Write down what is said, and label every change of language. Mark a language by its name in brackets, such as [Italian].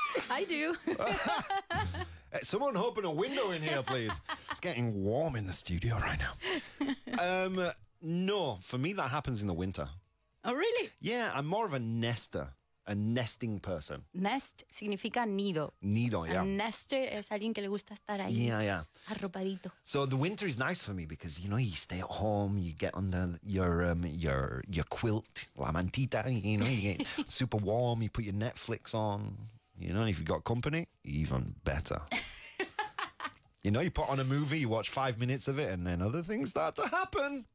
[English] I do. Someone open a window in here, please. It's getting warm in the studio right now. No, for me, that happens in the winter. Oh, really? Yeah, I'm more of a nester, a nesting person. [Spanish] Nest significa nido. Nido, yeah. A nester es alguien que le gusta estar ahí. [English] Yeah, yeah. [Spanish] Arropadito. [English] So the winter is nice for me because, you know, you stay at home, you get under your quilt, [Spanish] la mantita, [English] you know, you get super warm, you put your Netflix on. You know, and if you've got company, even better. You know, you put on a movie, you watch 5 minutes of it, and then other things start to happen.